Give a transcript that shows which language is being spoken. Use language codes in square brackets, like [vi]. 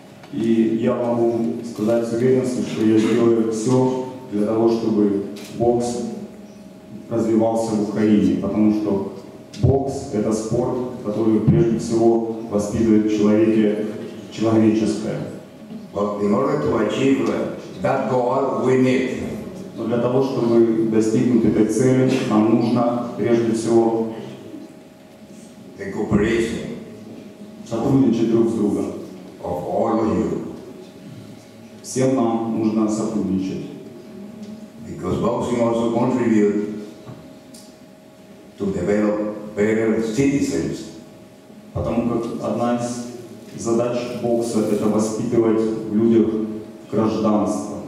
[ru] И я могу сказать с уверенностью, что я сделаю все для того, чтобы бокс развивался в Украине, потому что бокс – это спорт, который прежде всего воспитывает в человеке человеческое. [en] But in order to achieve that goal, we need. [ru] Но для того, чтобы достигнуть этой цели, нам нужно прежде всего [en] the cooperation. [ru] Сотрудничать друг с другом. [en] Of all of you. [ru] Всем нам нужно сотрудничать. [en] Because boxing also contributes to develop better citizens. [ru] Потому как одна из задач бокса – это воспитывать в людях гражданство.